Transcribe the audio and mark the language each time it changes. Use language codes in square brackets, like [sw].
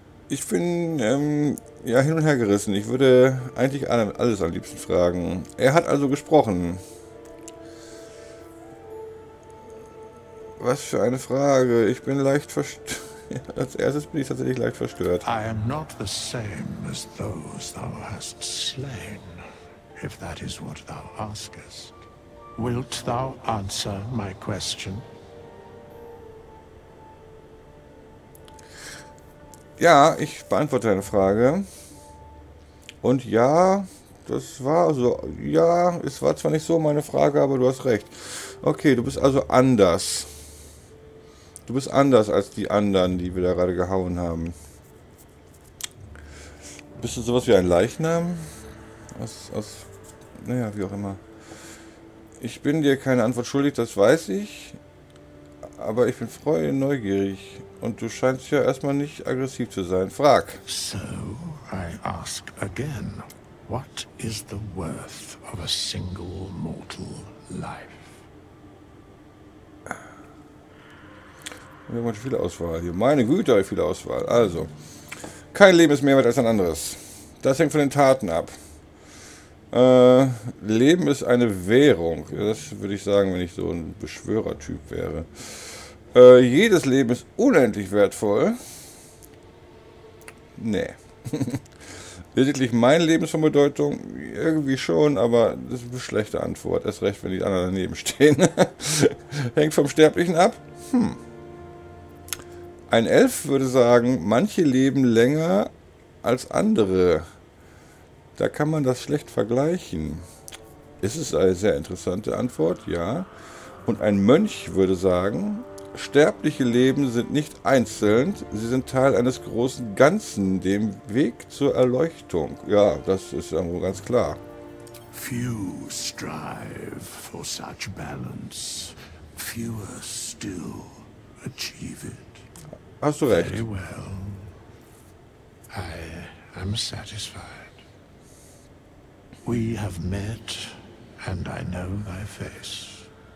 [de] Ich bin hin und her gerissen. Ich würde eigentlich alles am liebsten fragen. Er hat also gesprochen. Was für eine Frage. Ich bin leicht verstört. Als erstes bin ich tatsächlich leicht verstört. [en] I am not the same as those thou hast slain, if that is what thou askest. Wilt thou answer my question? [de] Ja, ich beantworte deine Frage. Und ja, das war so. Ja, es war zwar nicht so meine Frage, aber du hast recht. Okay, du bist also anders. Du bist anders als die anderen, die wir da gerade gehauen haben. Bist du sowas wie ein Leichnam? Aus, naja, wie auch immer. Ich bin dir keine Antwort schuldig, das weiß ich. Aber ich bin neugierig. Und du scheinst ja erstmal nicht aggressiv zu sein. Frag. [en] So, I ask again. What is the worth of a single mortal life? [de] Wir haben heute viel Auswahl hier. Meine Güte, viel Auswahl. Also, kein Leben ist mehr wert als ein anderes. Das hängt von den Taten ab. Leben ist eine Währung. Das würde ich sagen, wenn ich so ein Beschwörertyp wäre. Jedes Leben ist unendlich wertvoll. Nee. Lediglich mein Leben ist von Bedeutung. Irgendwie schon, aber das ist eine schlechte Antwort. Erst recht, wenn die anderen daneben stehen. Hängt vom Sterblichen ab. Ein Elf würde sagen, manche leben länger als andere. Da kann man das schlecht vergleichen. Ist es eine sehr interessante Antwort? Ja. Und ein Mönch würde sagen, sterbliche Leben sind nicht einzeln, sie sind Teil eines großen Ganzen, dem Weg zur Erleuchtung. Ja, das ist ja wohl ganz klar. [en] Few strive for such balance, fewer still achieve it. [de] Hast du recht. [en] Very well. I am satisfied. We have met, and I know thy face.